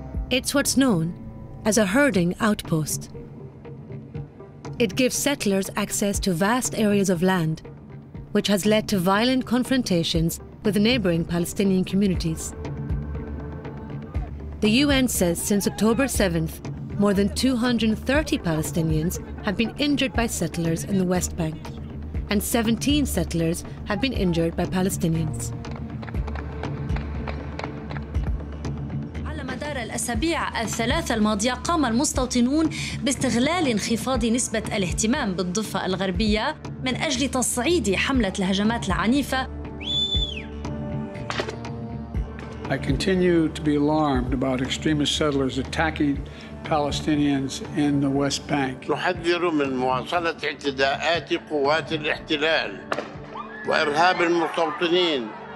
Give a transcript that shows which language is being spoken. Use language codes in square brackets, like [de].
[en] It's what's known as a herding outpost. It gives settlers access to vast areas of land, which has led to violent confrontations with neighboring Palestinian communities. The UN says since October 7th, more than 230 Palestinians have been injured by settlers in the West Bank, and 17 settlers have been injured by Palestinians. [ar] الأسابيع الثلاثة الماضية قام المستوطنون باستغلال انخفاض نسبة الاهتمام بالضفة الغربية من أجل تصعيد حملة الهجمات العنيفة. [en] I continue to be alarmed about extremist settlers attacking Palestinians in the West Bank. [ar] نحذر من مواصلة اعتداءات قوات الاحتلال وإرهاب المستوطنين.